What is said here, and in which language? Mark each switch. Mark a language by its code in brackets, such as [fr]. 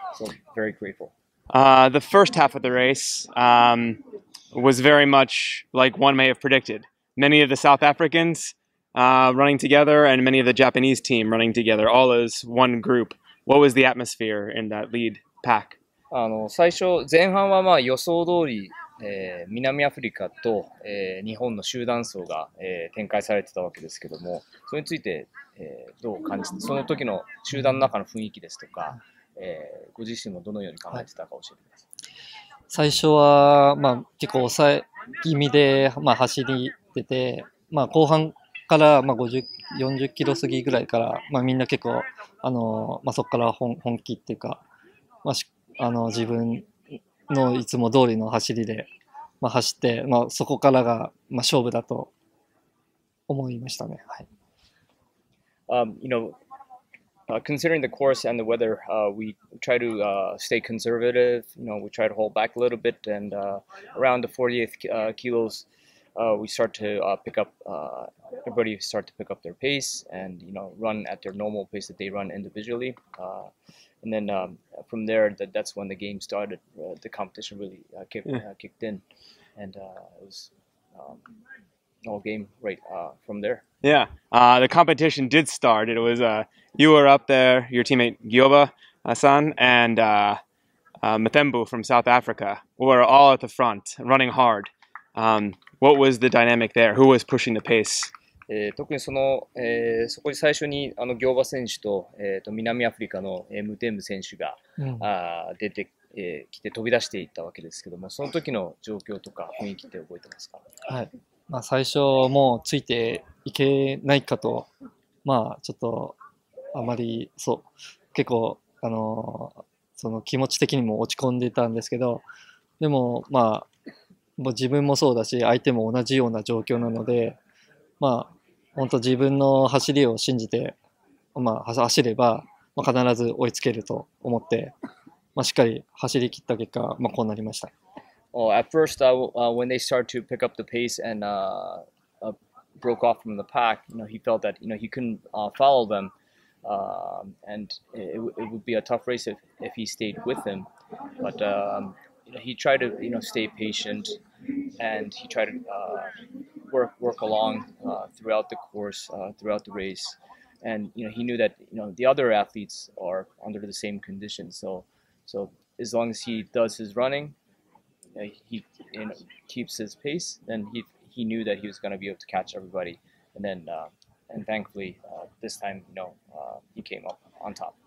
[en] So very grateful. The first half of the race was very much like one may have predicted. Many of the South Africans,running together and many of the Japanese team running together, all as one group. What was the atmosphere in that lead pack? [ja] 最初、前半はまあ予想通り、南アフリカと、日本の集団走が、展開されてたわけですけども、それについて、どう感じて、その時の集団の中の雰囲気ですとか、ご自身もどのように考えてたか教えてください。最初は、まあ、結構抑え気味で、まあ、走り出て、まあ、後半、から、まあ、40キロ過ぎぐらいから、まあ、みんな結構、まあ、そこから本気っていうか、まあ、自分のいつも通りの走りで、まあ、走って、まあ、そこからが、まあ、勝負だと思いましたね。はい。 [en] Considering the course and the weather, we try to stay conservative, we try to hold back a little bit, and around the 40th kilos,we start to pick up, everybody start to pick up their pace and, run at their normal pace that they run individually. And then from there, that's when the game started, the competition really kicked in. And it was all game right from there. Yeah, the competition did start. It was, you were up there, your teammate Gyoba-san and Mthembu from South Africa were all at the front, running hard. What was the dynamic there? Who was pushing the pace? [ja] 特にその、そこで最初にあのギョーバ選手と、南アフリカのムテム選手が、出てきて飛び出していったわけですけども、その時の状況とか雰囲気って覚えてますか？はい。まあ最初もうついていけないかと、まあちょっとあまりそう結構その気持ち的にも落ち込んでたんですけど、でもまあ。もう自分もそうだし、相手も同じような状況なので、まあ、本当自分の走りを信じて、まあ、走れば、まあ、必ず追いつけると思って、まあ、しっかり走り切った結果、まあ、こうなりました。 [en] Well, at first, when they started to pick up the pace and broke off from the pack, he felt that he couldn't follow them, and it would be a tough race if he stayed with them. But, he tried to stay patient and he tried to work along throughout the course throughout the race and he knew that the other athletes are under the same conditions so as long as he does his running he keeps his pace then he knew that he was going to be able to catch everybody and then and thankfully this time he came up on top